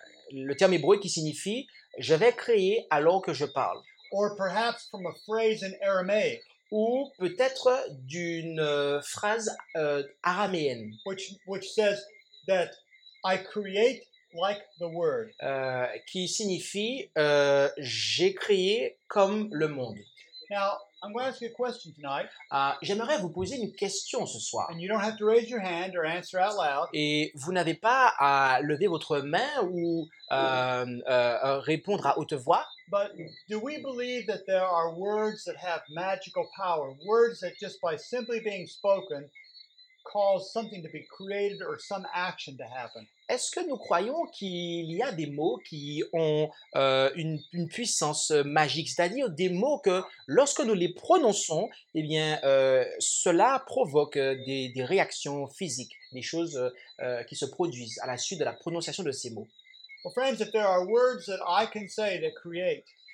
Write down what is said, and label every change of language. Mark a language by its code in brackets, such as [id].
[fr] Le terme hébreu qui signifie « je vais créer alors que je parle ». [en] Or perhaps from a phrase in Aramaic. [fr] Ou peut-être d'une phrase araméenne. [en] Which says that I create like the word. [fr] Qui signifie j'ai créé comme le monde. [en] Now, I'm going to ask you a question tonight. [fr] J'aimerais vous poser une question ce soir. [en] And you don't have to raise your hand or answer out loud. [fr] Et vous n'avez pas à lever votre main ou répondre à haute voix. [en] But do we believe that there are words that have magical power? Words that just by simply being spoken cause something to be created or some action to happen? [fr] Est-ce que nous croyons qu'il y a des mots qui ont une puissance magique, c'est-à-dire des mots que lorsque nous les prononçons, eh bien, cela provoque des réactions physiques, des choses qui se produisent à la suite de la prononciation de ces mots? [en] Well, friends, if there are words that I can say that create,